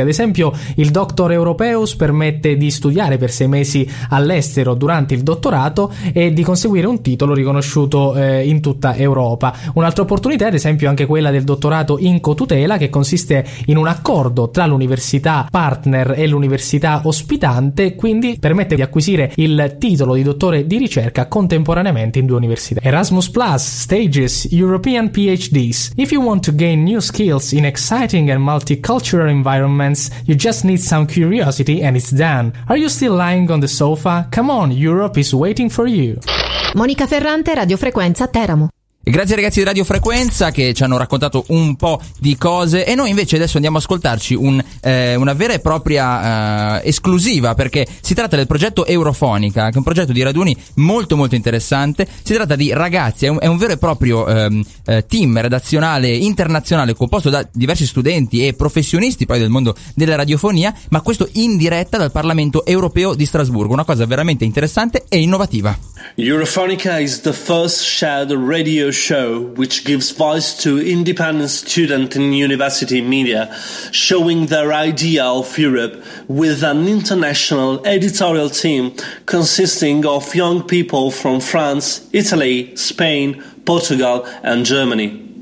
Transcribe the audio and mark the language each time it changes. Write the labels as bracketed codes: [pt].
[it] Ad esempio, il Doctor Europeus permette di studiare per 6 mesi all'estero durante il dottorato e di conseguire un titolo riconosciuto in tutta Europa. Un'altra opportunità, ad esempio, anche quella del dottorato in cotutela, che consiste in un accordo tra l'università partner e l'università ospitante, quindi permette di acquisire il titolo di dottore di ricerca contemporaneamente in due università. Erasmus Plus Stages European PhDs. [en] If you want to gain new skills in exciting and multicultural environments, you just need some curiosity and it's done. Are you still lying on the sofa? Come on, Europe is waiting for you. [it] Monica Ferrante, Radio Frequenza, Teramo. E grazie ai ragazzi di Radio Frequenza che ci hanno raccontato un po' di cose. E noi invece adesso andiamo a ascoltarci una vera e propria esclusiva, perché si tratta del progetto Eurofonica, che è un progetto di raduni molto molto interessante. Si tratta di ragazzi, è un vero e proprio team redazionale internazionale, composto da diversi studenti e professionisti poi del mondo della radiofonia, ma questo in diretta dal Parlamento Europeo di Strasburgo. Una cosa veramente interessante e innovativa. [en] Eurofonica is the first shared radio show which gives voice to independent student in university media, showing their idea of Europe with an international editorial team consisting of young people from France, Italy, Spain, Portugal and Germany.